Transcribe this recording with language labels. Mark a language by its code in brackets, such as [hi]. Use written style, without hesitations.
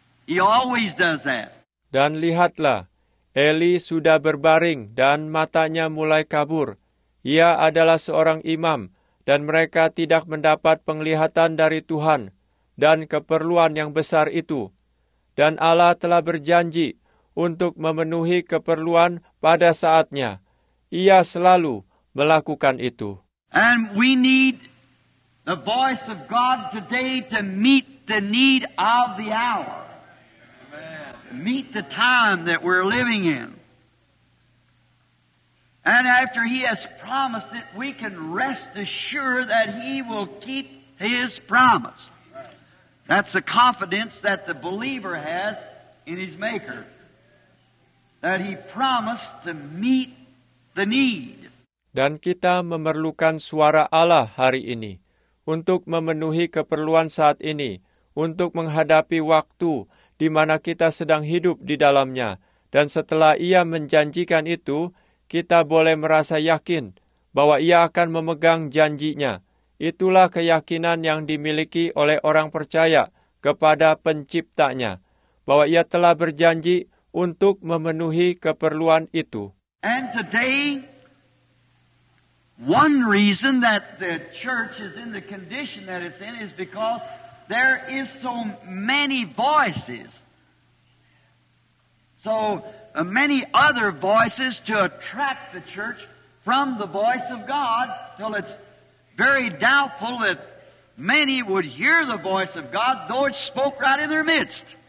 [en] He always does that. [id] Dan lihatlah, Eli sudah berbaring dan matanya mulai kabur. Ia adalah seorang imam, dan mereka tidak mendapat penglihatan dari Tuhan dan keperluan yang besar itu. Dan Allah telah berjanji untuk memenuhi keperluan pada saatnya. Ia selalu melakukan itu. [en] And we need the voice of God today to meet the need of the hour. Meet the time that we're living in. And after he has promised it, we can rest assured that he will keep his promise. That's the confidence that the believer has in his Maker. That he promised to meet the need. [id] Dan kita memerlukan suara Allah hari ini untuk memenuhi keperluan saat ini, untuk menghadapi waktu di mana kita sedang hidup di dalamnya. Dan setelah ia menjanjikan itu, kita boleh merasa yakin bahwa ia akan memegang janjinya. Itulah keyakinan yang dimiliki oleh orang percaya kepada penciptanya, bahwa ia telah berjanji untuk memenuhi keperluan itu. [en] And today, one reason that the church is in the condition that it's in is because there is so many voices. So many other voices to attract the church from the voice of God, till it's very doubtful that many would hear the voice of God, though it spoke right in their midst.